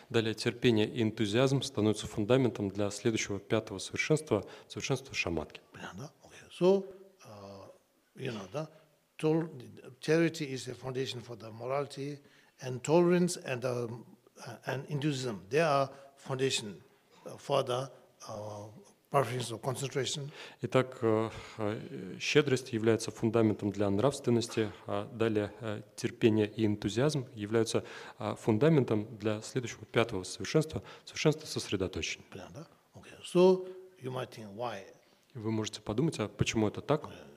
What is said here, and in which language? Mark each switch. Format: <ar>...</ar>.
<ru>Далее терпение и энтузиазм становятся фундаментом для следующего пятого совершенства, совершенства шаматки. Понятно?</ru> <en>Okay. So, you know, да? Charity is a foundation for the morality, and tolerance and Hinduism, they are foundation for the perfection of concentration.</en> <ru>Итак, щедрость является фундаментом для нравственности, а далее терпение и энтузиазм являются фундаментом для следующего пятого совершенства, совершенства сосредоточения.</ru> <en>Да? Okay. So you might think why?</en> <ru>Вы можете подумать, а почему это так?</ru>